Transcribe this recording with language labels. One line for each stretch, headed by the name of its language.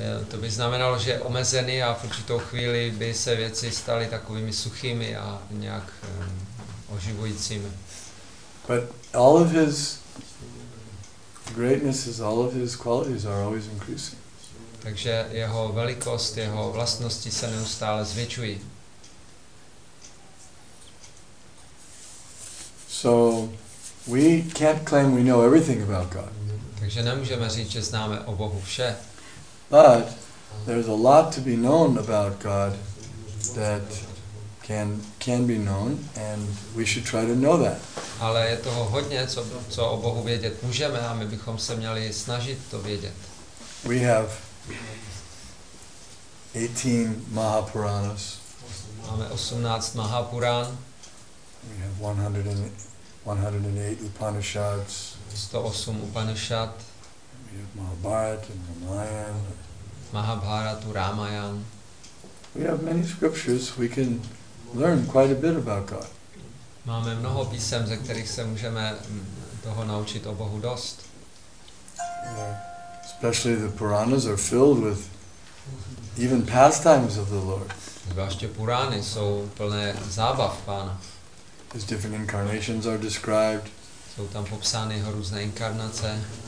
Czech: To by znamenalo, že omezený a v určitou chvíli by se věci staly takovými suchými a nějak oživujícími.
English: But all of his greatnesses, all of his qualities are always increasing.
Czech: Takže jeho velikost, jeho vlastnosti se neustále zvětšují.
English: So we can't claim we know everything about God.
Czech: Takže nemůžeme říct, že známe o Bohu vše.
English: But there's a lot to be known about God that can be known, and we should try to know that.
Czech: Ale je toho hodně, co o Bohu vědět můžeme, a my bychom se měli snažit to vědět.
English: We have 18 Mahapuranas.
Czech: Máme 18 Mahapuran.
English: We have 108 Upanishads.
Czech: 108 Upanishad.
English: We have Mahabharata and Ramayana.
Czech: Mahabharatu, Ramayan.
English: We have many scriptures we can learn quite a bit about God.
Czech: Máme mnoho písem, ze kterých se můžeme toho naučit o Bohu dost.
English: Especially the Puranas are filled with even pastimes of the Lord.
Czech: Zvláště Purány jsou plné zábav Pána.
English: His different incarnations are described.
Czech: Jsou tam popsány jeho různé inkarnace.